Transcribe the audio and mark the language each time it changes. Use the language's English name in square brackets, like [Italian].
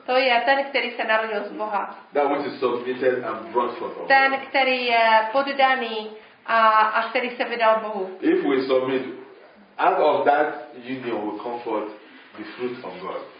[Czech] To je ten, který se narodil z Boha. [English] That which is submitted and brought forth of God. [Czech] Ten, který je poddaný a který se vydal Bohu. [English] If we submit, out of that union will come forth the fruit of God.